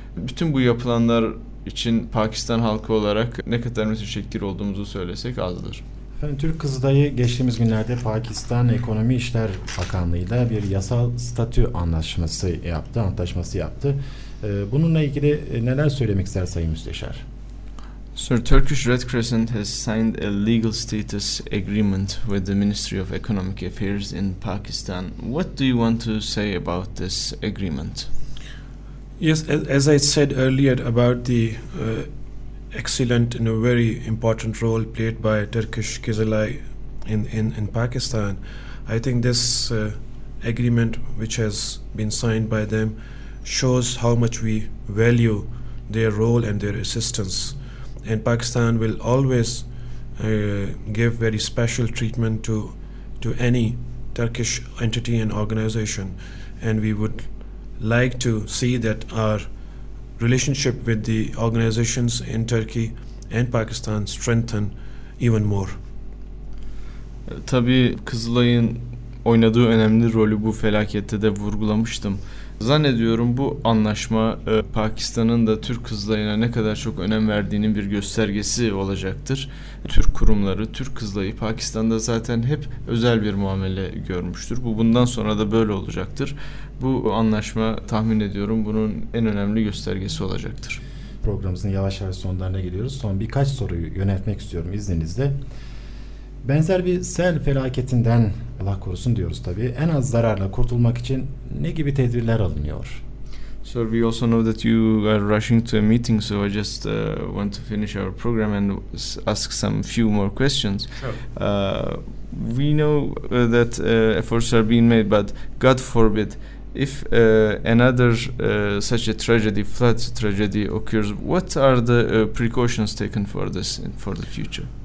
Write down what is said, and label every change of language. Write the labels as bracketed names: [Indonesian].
[Turkish] Bütün bu yapılanlar için Pakistan halkı olarak ne kadar müteşekkir olduğumuzu söylesek azdır. Efendim, Türk Kızılayı geçtiğimiz günlerde Pakistan Ekonomi İşler Bakanlığı'yla bir yasal statü antlaşması yaptı. Bununla ilgili neler söylemek ister Sayın Müsteşar? [English] Sir, Turkish Red Crescent has signed a legal status agreement with the Ministry of Economic Affairs in Pakistan. What do you want to say about this agreement? Yes, as I said earlier about the excellent and a very important role played by Turkish Kızılay in Pakistan. I think this agreement which has been signed by them shows how much we value their role and their assistance. And Pakistan will always give very special treatment to any Turkish entity and organization. And we would like to see that our relationship with the organizations in Turkey and Pakistan strengthen even more. [Turkish] Tabii Kızılay'ın oynadığı önemli rolü bu felakette de vurgulamıştım. Zannediyorum bu anlaşma Pakistan'ın da Türk Kızılay'ına ne kadar çok önem verdiğinin bir göstergesi olacaktır. Türk kurumları, Türk Kızılay'ı Pakistan'da zaten hep özel bir muamele görmüştür. Bu bundan sonra da böyle olacaktır. Bu anlaşma tahmin ediyorum bunun en önemli göstergesi olacaktır. Programımızın yavaş yavaş sonlarına geliyoruz. Son birkaç soruyu yöneltmek istiyorum izninizle. Benzer bir sel felaketinden, Allah korusun diyoruz tabii, en az zararla kurtulmak için ne gibi tedbirler alınıyor? [English] Sir, we also know that you are rushing to a meeting, so I just want to finish our program and ask some few more questions. Sure. We know that efforts are being made, but God forbid, if another such a tragedy, flood tragedy occurs, what are the precautions taken for this and for the future?